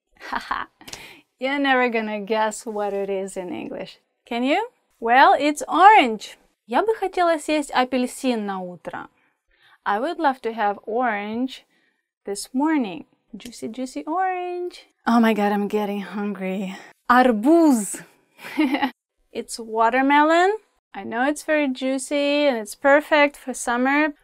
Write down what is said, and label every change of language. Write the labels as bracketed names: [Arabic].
[English] Haha, you're never gonna guess what it is in English, can you? Well, it's orange. [Russian] Я бы хотела съесть апельсин на утро. [English] I would love to have orange this morning. Juicy, juicy orange. Oh my god, I'm getting hungry. Арбуз. It's watermelon. I know it's very juicy and it's perfect for summer.